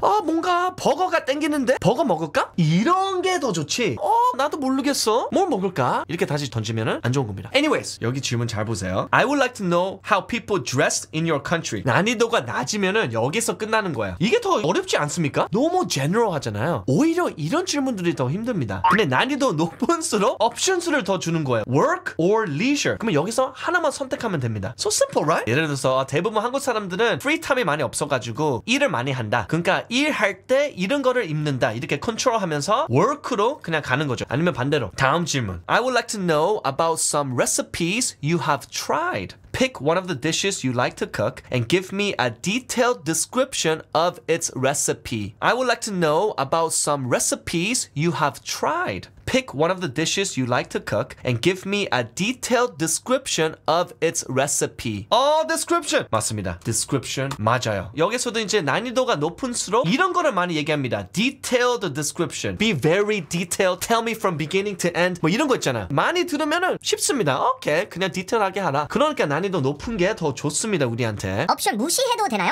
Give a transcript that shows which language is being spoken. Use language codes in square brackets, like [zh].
[ko] 아, 뭔가 버거가 땡기는데? 버거 먹을까? 이런 게 더 좋지. 나도 모르겠어. 뭘 먹을까? 이렇게 다시 던지면은 안 좋은 겁니다. Anyways, 여기 질문 잘 보세요. [en] I would like to know how people dress in your country. [ko] 난이도가 낮으면은 여기서 끝나는 거야. 이게 더 어렵지 않습니까? 너무 general 하잖아요. 오히려 이런 질문들이 더 힘듭니다. 근데 난이도 높은수록 옵션 수를 더 주는 거예요. [en] Work or leisure. [ko] 그러면 여기서 하나만 선택하면 됩니다. [en] So simple, right? [ko] 예를 들어서 대부분 한국 사람들은 프리타임이 많이 없어가지고 일을 많이 한다. 그러니까 일할 때 이런 거를 입는다. 이렇게 컨트롤하면서 워크로 그냥 가는 거죠. 아니면 반대로. 다음 질문. [en] I would like to know about some recipes you have tried. Pick one of the dishes you like to cook and give me a detailed description of its recipe. I would like to know about some recipes you have tried. Pick one of the dishes you like to cook and give me a detailed description of its recipe. Oh, description! [ko] 맞습니다. Description. 맞아요. 여기서도 이제 난이도가 높은수록 이런 거를 많이 얘기합니다. [en] Detailed description. Be very detailed. Tell me from beginning to end. [ko] 뭐 이런 거 있잖아요. 많이 들으면은 쉽습니다. Okay, 그냥 디테일하게 하라. 그러니까 난이도 높은 게 더 좋습니다, 우리한테. 옵션 무시해도 되나요?